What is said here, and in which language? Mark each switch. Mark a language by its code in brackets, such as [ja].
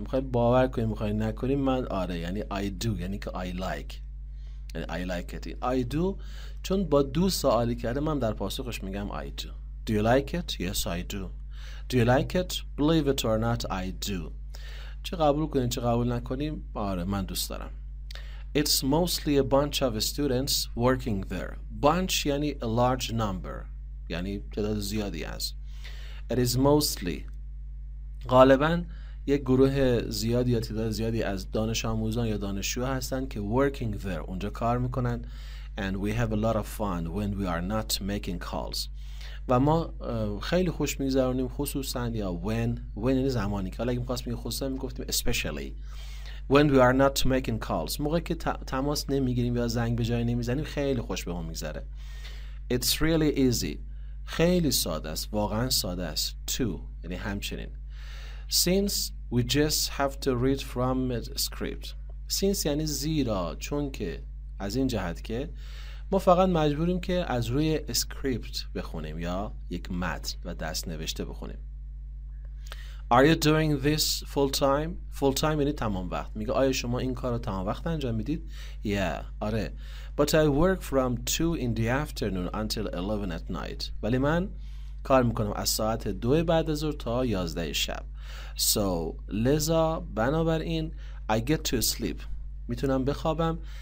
[fa] میخوای باور کنی، میخوای نکنی، من آره یعنی [en] I do [fa] یعنی که [en] I like. I like it. I do. [fa] چون با دو سوالی کرده من در پاسخش میگم [en] I do. Do you like it? Yes, I do. Do you like it? Believe it or not, I do. [fa] چه قبول کنیم چه قبول نکنیم؟ آره من دوست دارم. [en] It's mostly a bunch of students working there. Bunch [fa] یعنی [en] a large number. [fa] یعنی تعداد زیادی هست. [en] It is mostly. [fa] غالباً یک گروه زیادی یا تعداد زیادی از دانش آموزان یا دانشجو هستن که [en] working there [fa] اونجا کار میکنن. [en] And we have a lot of fun when we are not making calls. [fa] و ما خیلی خوش میگذرونیم خصوصاً یا when یعنی زمانی که، حالا اگه میخواست میگه خصوصاً میگفتیم [en] especially when we are not making calls، [fa] موقعی که تماس نمیگیریم یا زنگ به جای نمیزنیم خیلی خوش به ما میگذره. [en] It's really easy. [fa] خیلی ساده است، واقعاً ساده است. To یعنی همچنین. [en] Since we just have to read from the script. [fa] Since یعنی زیرا، چون که، از این جهت که ما فقط مجبوریم که از روی اسکریپت بخونیم یا یک متن و دست نوشته بخونیم. [en] Are you doing this full time? Full time [fa] یعنی تمام وقت. میگه آیا شما این کار رو تمام وقت انجام میدید؟ [en] Yeah. [fa] آره. [en] But I work from 2 in the afternoon until 11 at night. [fa] ولی من کار میکنم از ساعت 2 بعد از ظهر تا 11 شب. [en] So [fa] لذا بنابراین [en] I get to sleep، [fa] میتونم بخوابم.